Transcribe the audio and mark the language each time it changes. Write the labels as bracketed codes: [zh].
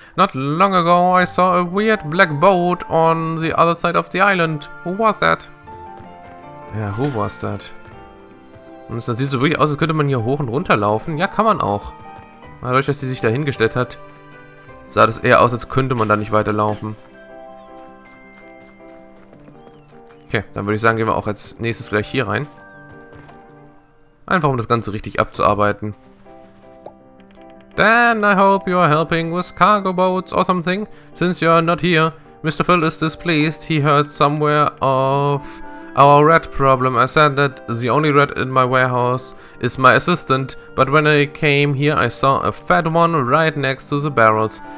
[en] Not long ago, I saw a weird black boat on the other side of the island. Who was that? Ja, who was that? [de] Und das sieht so wirklich aus, als könnte man hier hoch und runter laufen. Ja, kann man auch. Dadurch, dass sie sich da hingestellt hat, sah das eher aus, als könnte man da nicht weiterlaufen. Okay, dann würde ich sagen, gehen wir auch als nächstes gleich hier rein. Einfach, um das Ganze richtig abzuarbeiten. [en] Dan, I hope you are helping with cargo boats or something, since you are not here. Mr. Phil is displeased. He heard somewhere of our rat problem. I said that the only rat in my warehouse is my assistant, but when I came here, I saw a fat one right next to the barrels.